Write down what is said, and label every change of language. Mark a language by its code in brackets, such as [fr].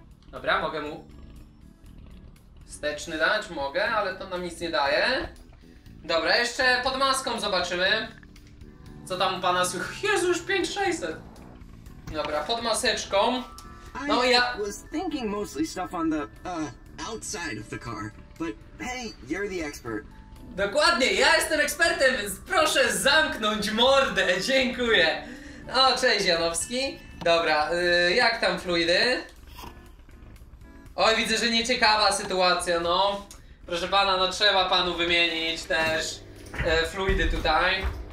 [pl] Dobra, mogę mu wsteczny dać? Mogę, ale to nam nic nie daje. Dobra, jeszcze pod maską zobaczymy, co tam u pana słychać. Jezus, 5600! Dobra, pod maseczką. No ja... [en] I was thinking mostly stuff on the outside of the car. But hey, you're the expert. [pl] Dokładnie, ja jestem ekspertem, więc proszę zamknąć mordę. Dziękuję. O, cześć Janowski. Dobra, jak tam fluidy? Oj, widzę, że nieciekawa sytuacja, no. Proszę pana, no trzeba panu wymienić też fluidy tutaj.